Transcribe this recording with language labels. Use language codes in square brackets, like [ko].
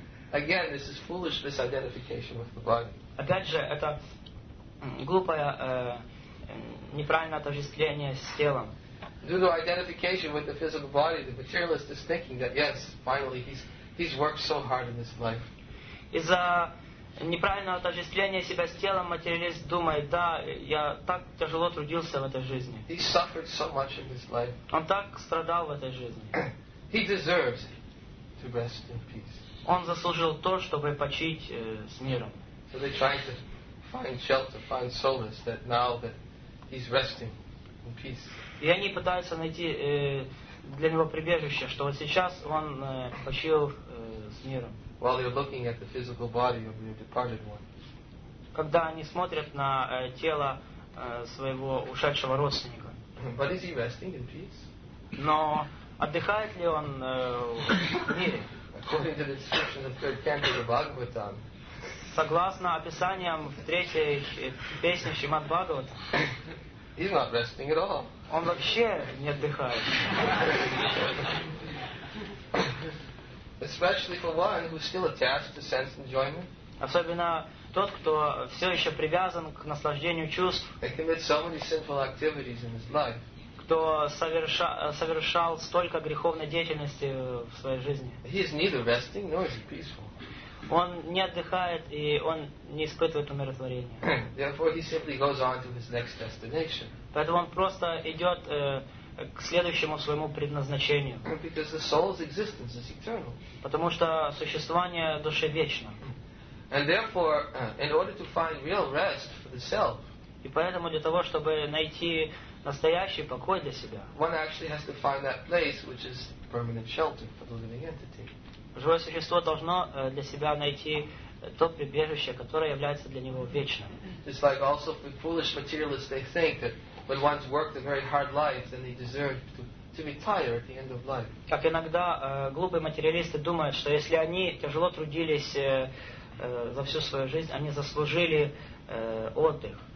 [en] Again, this is foolish misidentification with the body. [ru] Опять же, это глупое, неправильное отождествление с телом. [en] Due to identification with the physical body, the materialist is thinking that yes, finally he's worked so hard in this life. [ru] Из-за неправильное отождествление себя с телом, материалист думает, да, я так тяжело трудился в этой жизни. [en] He suffered so much in his life. [ru] Он так страдал в этой жизни. [en] He deserves to rest in peace. [ru] Он заслужил то, чтобы почить с миром. [en] So they try to find shelter, find solace that now that he's resting in peace. [ru] И они пытаются найти для него прибежище, что вот сейчас он почил с миром. [en] While you're looking at the physical body of your departed one. [ru] Когда они смотрят на тело своего ушедшего родственника. [en] But is he resting in peace? [ru] Но отдыхает ли он в мире? [en] According to the description of the third canto of the Bhagavatam. [ru] Согласно описаниям в третьей песне Шримад Бхагаватам. [en] He's not resting at all. [ru] Он вообще не отдыхает. [en] Especially for one who's still attached to sense enjoyment. [ru] Особенно тот, кто все еще привязан к наслаждению чувств. [en] He commits so many sinful activities in his life. [ru] Кто совершал столько греховной деятельности в своей жизни. [en] He is neither resting nor is he peaceful. [ru] Он не отдыхает и он не испытывает умиротворения. [en] Therefore, he simply goes on to his next destination. [ru] Поэтому он просто идет к следующему своему предназначению. [en] Because the soul's existence is eternal. [ru] Потому что существование души вечно. [en] And therefore, in order to find real rest for the self. [ru] И поэтому для того, чтобы найти настоящий покой для себя. [en] One actually has to find that place which is permanent shelter for the living entity. [ru] Живое существо должно для себя найти то прибежище, которое является для него вечным. [en] It's like also for foolish materialists, they think that when one's worked a very hard life, then they deserve to retire at the end of life. [ru] Как иногда глупые материалисты думают, что если они тяжело трудились за всю свою жизнь, они заслужили отдых.